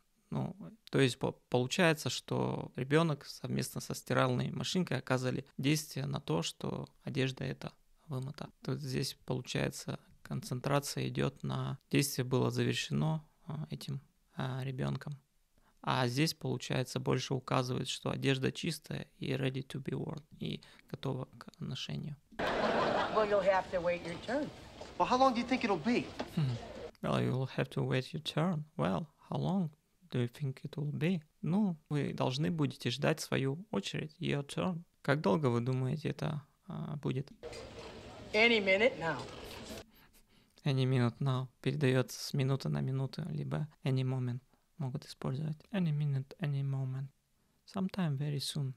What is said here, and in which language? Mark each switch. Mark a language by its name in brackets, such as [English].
[Russian] Ну, то есть получается, что ребенок совместно со стиральной машинкой оказали действие на то, что одежда эта вымыта. То есть здесь, получается, концентрация идет на действие было завершено этим ребенком. А здесь, получается, больше указывает, что одежда чистая и [English] ready to be worn, [Russian] и готова к ношению. [English] Well, you'll have to wait your turn. Well, how long do you think it'll be? Well, you'll have to wait your turn. Well, how long do you think it'll be? [Russian] Ну, вы должны будете ждать свою очередь, your turn. Как долго вы думаете это будет? [English] Any minute now. [Russian] Any minute now. Передается с минуты на минуту, либо any moment. Могут использовать any minute, any moment. [English] Sometime very soon.